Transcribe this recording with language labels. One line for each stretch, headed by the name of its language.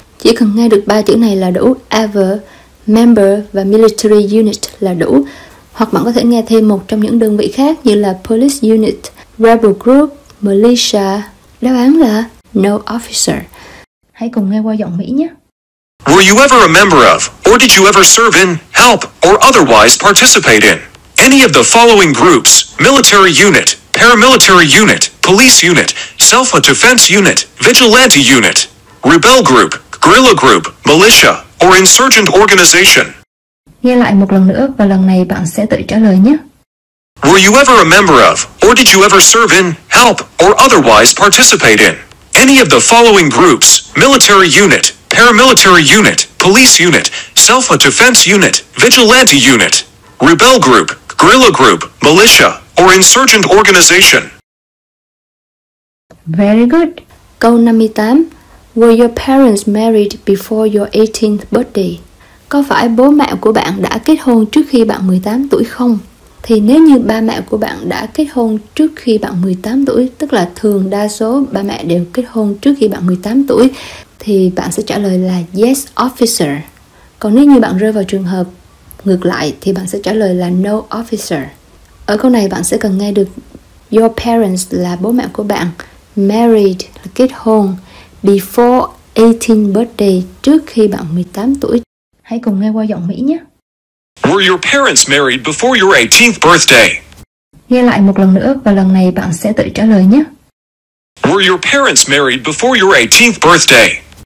Vietnamese: Chỉ cần nghe được ba chữ này là đủ. Ever, member và military unit là đủ. Hoặc bạn có thể nghe thêm một trong những đơn vị khác như là police unit, rebel group, militia. Đáp án là
English: no officer.
Vietnamese: Hãy cùng nghe qua giọng Mỹ nhé.
English: Were you ever a member of, or did you ever serve in, help, or otherwise participate in any of the following groups? Military unit, paramilitary unit, police unit, self-defense unit, vigilante unit, rebel group, guerrilla group, militia, or insurgent organization?
Vietnamese: Nghe lại một lần nữa và lần này bạn sẽ tự trả lời nhé.
English: Were you ever a member of, or did you ever serve in, help, or otherwise participate in any of the following groups? Military unit, paramilitary unit, police unit, self-defense unit, vigilante unit, rebel group, guerrilla group, militia, or insurgent organization? Very good.
Vietnamese: Câu 58.
English: Were your parents married before your 18th birthday?
Vietnamese: Có phải bố mẹ của bạn đã kết hôn trước khi bạn 18 tuổi không? Thì nếu như ba mẹ của bạn đã kết hôn trước khi bạn 18 tuổi, tức là thường đa số ba mẹ đều kết hôn trước khi bạn 18 tuổi, thì bạn sẽ trả lời là
English: yes officer.
Vietnamese: Còn nếu như bạn rơi vào trường hợp ngược lại thì bạn sẽ trả lời là
English: no officer.
Vietnamese: Ở câu này bạn sẽ cần nghe được
English: your parents
Vietnamese: là bố mẹ của bạn married, là kết hôn,
English: before 18 birthday,
Vietnamese: trước khi bạn 18 tuổi. Hãy cùng nghe qua giọng Mỹ nhé.
English: Were your parents married before your 18th birthday?
Vietnamese: Nghe lại một lần nữa và lần này bạn sẽ tự trả lời nhé.
English: Were your parents married before your 18th birthday?